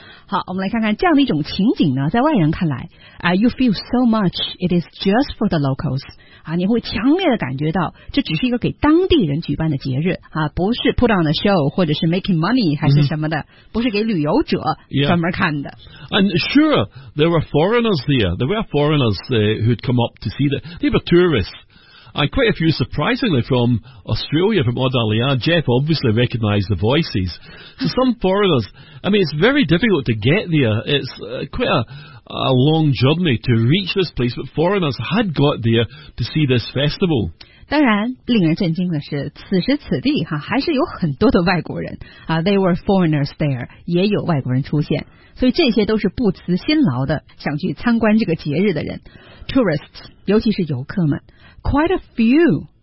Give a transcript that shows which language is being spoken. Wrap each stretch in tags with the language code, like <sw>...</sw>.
<zh>好，我们来看看这样的一种情景呢，在外人看来啊 ，</zh> <en>you feel so much it is just for the locals</en> <zh>啊，你会强烈的感觉到这只是一个给当地人举办的节日啊，不是</zh> <en>put on a show</en> <zh>或者是</zh> <en>making money</en> <zh>还是什么的， mm-hmm. 不是给旅游者专门看的。</zh> <en>Yeah. And sure, there were foreigners there. There were foreigners who'd come up to see that. They were tourists. And quite a few, surprisingly, from Australia, from Odalia. Jeff obviously recognised the voices. So some foreigners, I mean, it's very difficult to get there. It's quite a long journey to reach this place, but foreigners had got there to see this festival.</en> <zh>当然，令人震惊的是，此时此地哈，还是有很多的外国人啊。</zh> <en>They were foreigners there,</en> <zh>也有外国人出现。所以这些都是不辞辛劳的想去参观这个节日的人。</zh> <en>Tourists,</en> <zh>尤其是游客们。</zh> <en>Quite a few.</en>